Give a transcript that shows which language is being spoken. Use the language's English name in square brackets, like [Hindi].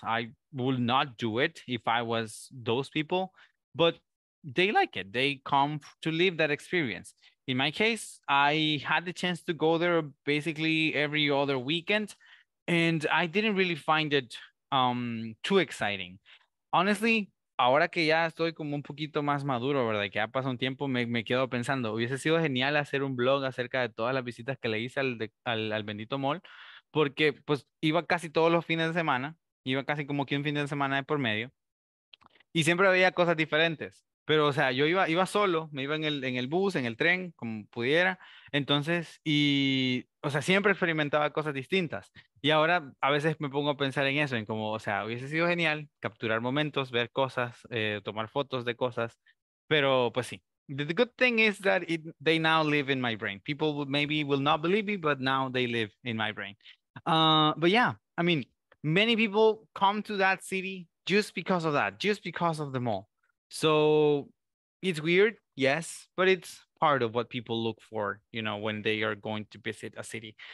[English] I would not do it if I was those people, but they like it. They come to live that experience. In my case, I had the chance to go there basically every other weekend, and I didn't really find it too exciting. Honestly, [Spanish] ahora que ya estoy como un poquito más maduro, ¿verdad? Que ya pasó un tiempo, me quedo pensando, hubiese sido genial hacer un blog acerca de todas las visitas que le hice al bendito mall, porque pues iba casi todos los fines de semana, iba casi como que un fin de semana de por medio, y siempre veía cosas diferentes. Pero, o sea, yo iba solo, me iba en el bus, en el tren, como pudiera. Entonces, y, o sea, siempre experimentaba cosas distintas. Y ahora a veces me pongo a pensar en eso, en como, o sea, hubiese sido genial capturar momentos, ver cosas, tomar fotos de cosas. Pero, pues sí. [English] The good thing is that they now live in my brain. People maybe will not believe me, but now they live in my brain. But yeah, I mean, many people come to that city just because of that, just because of the mall. So it's weird, yes, but it's part of what people look for, you know, when they are going to visit a city.